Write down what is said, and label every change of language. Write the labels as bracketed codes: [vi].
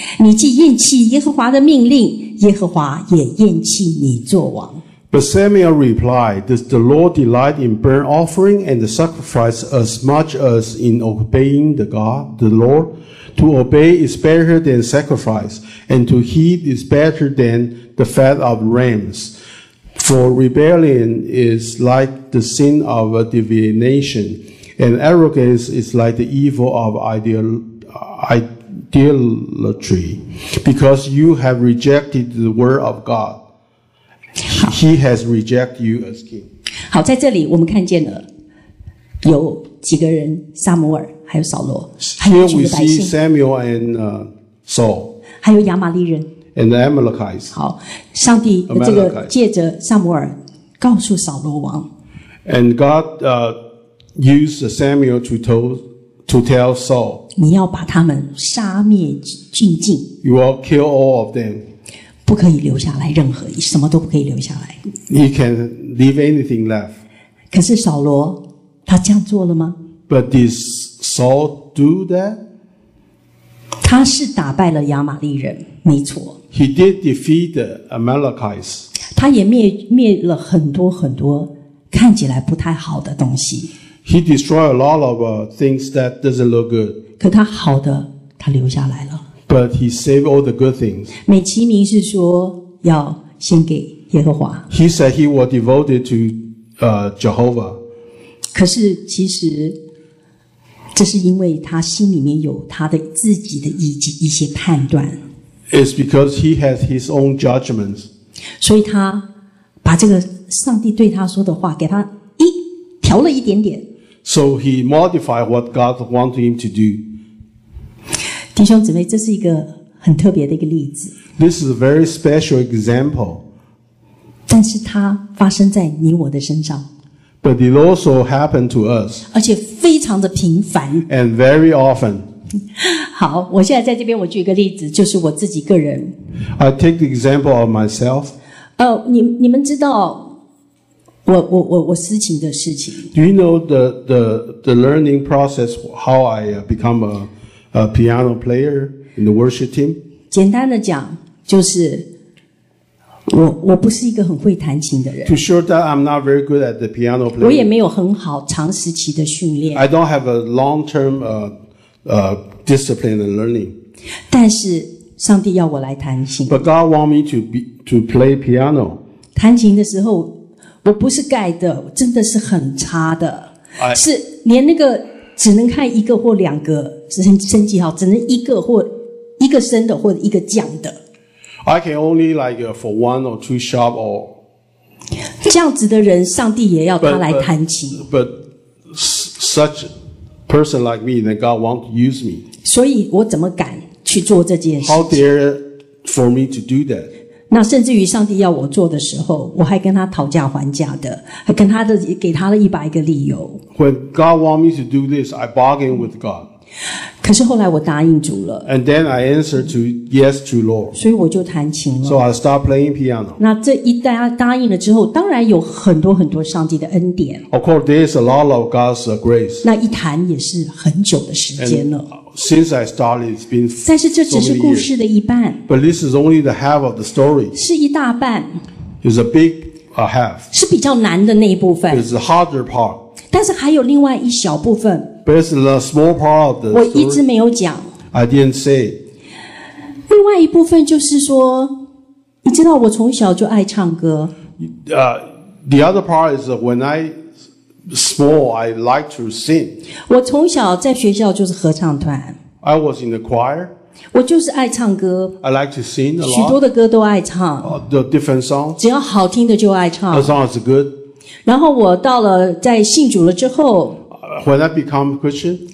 [zh] 你既厌弃耶和华的命令，耶和华也厌弃你作王。 [en] But Samuel replied, Does the Lord delight in burnt offering and the sacrifice as much as in obeying the God, the Lord? To obey is better than sacrifice, and to heed is better than the fat of rams. For rebellion is like the sin of a divination, and arrogance is like the evil of idolatry, because you have rejected the word of God. He has rejected you as king. [zh] 好，在这里我们看见了有几个人，撒母耳，还有扫罗，还有百姓。 [en] Here we see Samuel and Saul. [zh] 还有亚玛利人。 [en] And the Amalekites. [zh] 好，上帝这个借着撒母耳告诉扫罗王。 [en] And God used Samuel to tell Saul. [zh] 你要把他们杀灭尽尽。 [en] You will kill all of them. [zh] 不可以留下来任何，什么都不可以留下来。 [en] He can leave anything left. [zh] 可是扫罗，他这样做了吗？ [en] But did Saul do that? [zh] 他是打败了亚玛利人，没错。 [en] He did defeat the Amalekites. [zh] 他也灭了很多很多看起来不太好的东西。 [en] He destroyed a lot of things that doesn't look good. [zh] 可他好的，他留下来了。 [en] But he saved all the good things. [zh] 美其名是说要献给耶和华。 [en] He said he was devoted to Jehovah. [zh] 可是其实这是因为他心里面有他的自己的一些判断。 [en] It's because he has his own judgments. [zh] 所以他把这个上帝对他说的话给他调了一点点。 [en] So he modified what God wanted him to do. [zh] 弟兄姊妹，这是一个很特别的一个例子。 [en] This is a very special example. [zh] 但是它发生在你我的身上。 [en] But it also happened to us. [zh] 而且非常的频繁。 [en] And very often. [zh] 好，我现在在这边，我举一个例子，就是我自己个人。 [en] I take the example of myself. [zh] 你们知道我私情的事情。 [en] Do you know the learning process how I become a piano player in the worship team? [zh] 简单的讲，就是我不是一个很会弹琴的人。 [en] To show that I'm not very good at the piano player. [zh] 我也没有很好长时期的训练。 [en] I don't have a long term discipline and learning. [zh] 但是上帝要我来弹琴。 [en] But God want me to play piano. [zh] 弹琴的时候，我不是盖的，真的是很差的。是连那个只能看一个或两个升级号，只能一个或一个升的或者一个降的。 [en] I can only like for one or two sharp or. [zh] 这样子的人，上帝也要他来弹琴。 [en] But such person like me, then God want to use me. [zh] 所以我怎么敢去做这件事 [en] ？How dare for me to do that? [zh] 那甚至于上帝要我做的时候，我还跟他讨价还价的，还跟他的给他了一百个理由。 [en] When God want me to do this, I bargain with God. [zh] 可是后来我答应主了。 [en] And then I answered to yes to Lord. [zh] 所以我就弹琴了。 [en] So I start playing piano. [zh] 那这一答应了之后，当然有很多很多上帝的恩典。 [en] Of course, there is a lot of God's grace. [zh] 那一弹也是很久的时间了。 [en] And since I started, it's been so many years. [zh] 但是这只是故事的一半。 [en] But this is only the half of the story. [zh] 是一大半。 [en] It's a big half. [zh] 是比较难的那一部分。 [en] It's the harder part. [zh] 但是还有另外一小部分。 [en] But it's a small part of the story. [zh] 我一直没有讲。 [en] I didn't say. [zh] 另外一部分就是说，你知道我从小就爱唱歌。 [en] The other part is when I small, I like to sing. [zh] 我从小在学校就是合唱团。 [en] I was in the choir. [zh] 我就是爱唱歌。 [en] I like to sing a lot. [zh] 许多的歌都爱唱。 [en] The different songs. [zh] 只要好听的就爱唱。 [en] As long as it's good. [zh] 然后我到了在信主了之后。 [en] When I become Christian,